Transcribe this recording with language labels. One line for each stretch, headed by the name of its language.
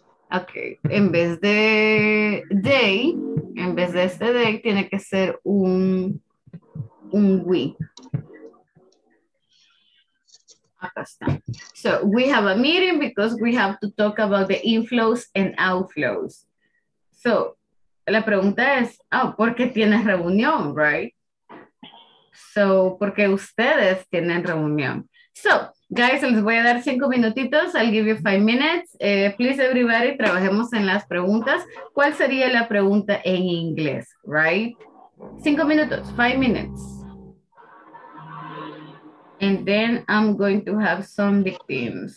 Spanish: Ok, en vez de day, en vez de este day, tiene que ser un we. Acá está.
English: So, we have a meeting because we have to talk about the inflows and outflows.
Spanish: So, la pregunta es, oh, ¿por qué tienes reunión, right? So, ¿por qué ustedes tienen reunión? So, guys, les voy a dar 5 minutitos.
English: I'll give you 5 minutes. Please, everybody,
Spanish: trabajemos en las preguntas. ¿Cuál sería la pregunta en inglés? Right? 5 minutos.
English: 5 minutes. And then I'm going to have some victims.